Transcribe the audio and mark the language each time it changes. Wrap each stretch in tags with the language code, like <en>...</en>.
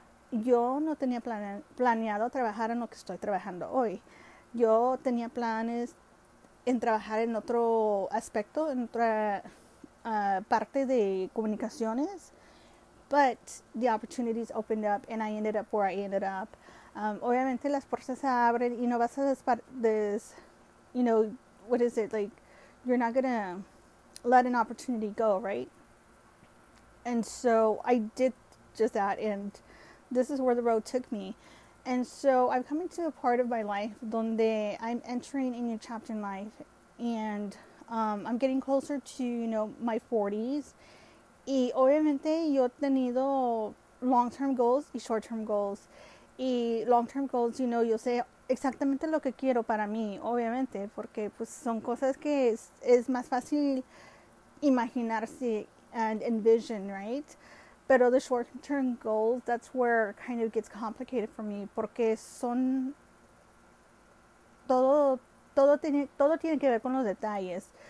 <es>Yo no tenía planeado trabajar en lo que estoy trabajando hoy. Yo tenía planes en trabajar en otro aspecto, en otra parte de comunicaciones.</es> <en>But the opportunities opened up and I ended up where I ended up.</en> <es>Obviamente las puertas se abren y no vas a</es> <en>you're not gonna let an opportunity go, right? And so I did just that and this is where the road took me. And so I'm coming to a part of my life donde I'm entering a new chapter in life. And I'm getting closer to, you know, my 40s.</en> <es>Y obviamente yo he tenido long-term goals y short-term goals. Y long-term goals, you know, yo sé exactamente lo que quiero para mí, obviamente. Porque pues son cosas que es más fácil imaginarse</es> <en>and envision, right? Pero the short-term goals, that's where kind of gets complicated for me.</en> <es>Porque son todo tiene que ver con los detalles.</es>